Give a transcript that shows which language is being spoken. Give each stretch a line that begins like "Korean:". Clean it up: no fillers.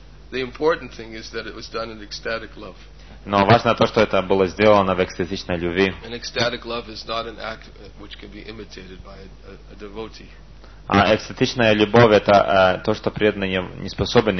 English: The important thing is that it was done in ecstatic love.
Russian: Но важно то, что это было сделано в экстатичной любви.
English: An ecstatic love is not an act which can be imitated by a devotee.
Russian: А экстатичная любовь это то, что преданный не способен